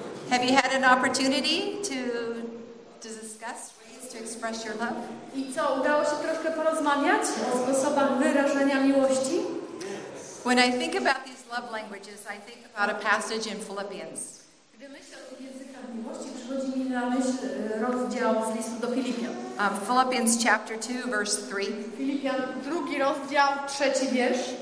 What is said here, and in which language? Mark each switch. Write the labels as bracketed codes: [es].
[en] Have you had an opportunity to discuss ways to express your love? [pl] I co, udało się troszkę porozmawiać o sposobach wyrażania miłości? [en] When I think about these love languages, I think about a passage in Philippians. [pl] Gdy myślę o językach miłości, przychodzi mi na myśl rozdział z listu do Filipian. [en] Philippians chapter 2, verse 3. [pl] Filipian, drugi rozdział, trzeci wiersz.